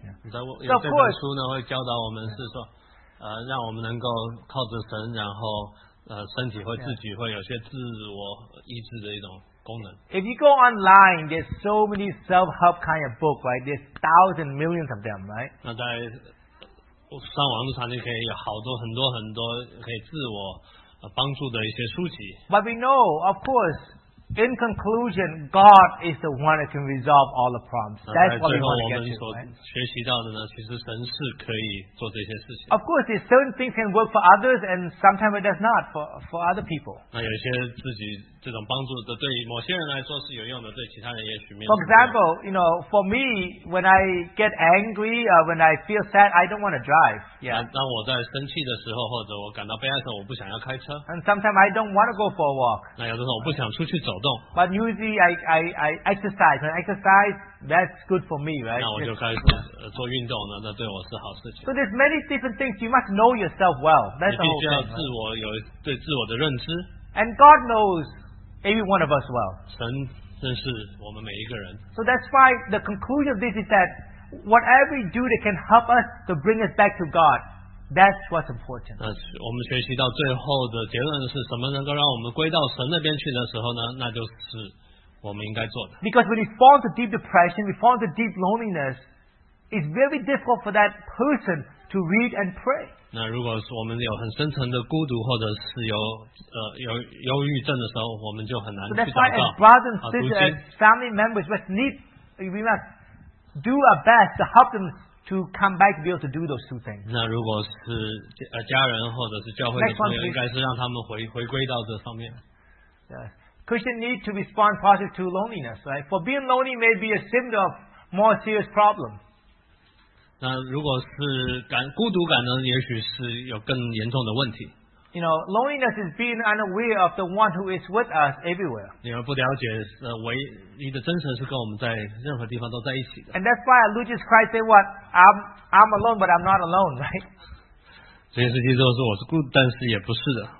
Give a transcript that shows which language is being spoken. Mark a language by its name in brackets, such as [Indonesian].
[English] So, of course, [Chinese] 这本书呢会教导我们是说，让我们能够靠着神，然后身体会自己会有些自我医治的一种功能。 [English] If you go online, there's so many self-help kind of book, right? There's thousands, millions of them, right? [Chinese] 那在上网上就可以有好多很多很多可以自我帮助的一些书籍。 [English] But we know, of course. In conclusion, God is the one that can resolve all the problems. That's what we want to get to. [Chinese] 学习到的呢，其实神是可以做这些事情。 [English] Of course, there's certain things can work for others, and sometimes it does not for other people. 那有些自己这种帮助的，对某些人来说是有用的，对其他人也许没有。 For example, you know, for me, when I get angry, when I feel sad, I don't want to drive. Yeah. [Chinese] 当我在生气的时候，或者我感到悲哀的时候，我不想要开车。 [English] And sometimes I don't want to go for a walk. [Chinese] 那有的时候我不想出去。 [English] But usually I exercise. When I exercise, that's good for me, right? [Chinese] 那我就开始做运动呢，那对我是好事情。 [English] So there's many different things. You must know yourself well. That's the whole thing. [Chinese] 你必须要自我有对自我的认知。 [English] And God knows every one of us well. [Chinese] 神认识我们每一个人。 [English] So that's why the conclusion of this is that whatever we do that can help us to bring us back to God. That's what's important. [Chinese] 我们学习到最后的结论是什么能够让我们归到神那边去的时候呢？那就是我们应该做的。 [English] Because when we fall into deep depression, we fall into deep loneliness, it's very difficult for that person to read and pray. [Chinese] 那如果我们有很深层的孤独或者是有忧郁症的时候，我们就很难去祷告。 [English] So that's why as brothers and sisters, as family members, we must do our best to help them. To come back to be able to do those two things. [Chinese] 那如果是家人或者是教会的朋友，应该是让他们回归到这上面。 [English] Yeah. Christian need to respond positive to loneliness, right? For being lonely may be a symptom of more serious problem. [Chinese] 那如果是孤独感呢，也许是有更严重的问题。 [English] You know, loneliness is being unaware of the one who is with us everywhere. [Chinese] 你们不了解，唯一的真神是跟我们在任何地方都在一起的。 [English] And that's why Lucius Christ said, "What? I'm alone, but I'm not alone, right?" [Chinese] 所以实际上说我是孤，但是也不是的。